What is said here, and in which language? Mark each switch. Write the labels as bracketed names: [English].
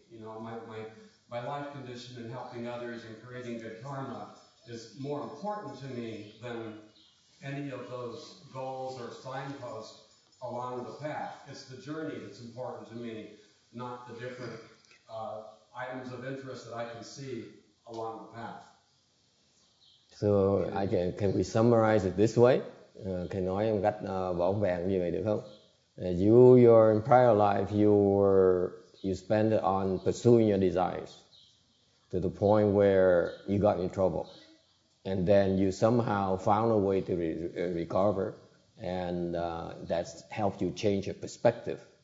[English] You know, my life condition and helping others and creating good karma is more important to me than any of those goals or signposts along the path. It's the journey that's important to me, not the different items of interest that I can see along the path. So I can we summarize it this way? Can I [Vietnamese] nói em cách võ vẹn như vậy được không? [English] Your entire life you spend it on pursuing your desires to the point where you got in trouble, and then you somehow found a way to recover, and that's helped you change your perspective.